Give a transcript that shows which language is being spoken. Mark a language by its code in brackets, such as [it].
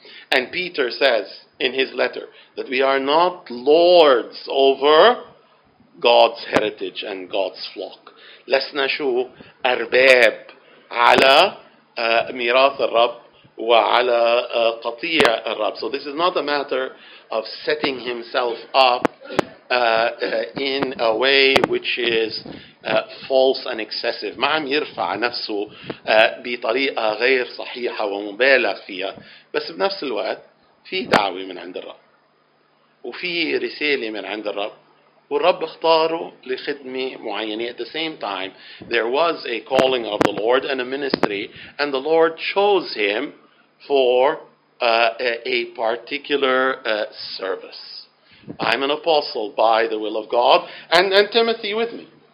[en] And Peter says in his letter that we are not lords over God's heritage and God's flock. [ar] لسنا شو أرباب على ميراث الرب وعلى قطيع الرب. [en] So this is not a matter of setting himself up in a way which is false and excessive. [ar] ما عم يرفع نفسه بطريقة غير صحيحة ومبالغ فيها. بس بنفس الوقت في دعوة من عند الرب وفي رسالة من عند الرب. والرب اختاره لخدمة معينة. [en] At the same time, there was a calling of the Lord and a ministry, and the Lord chose him for a particular service. I'm an apostle by the will of God, and Timothy with me.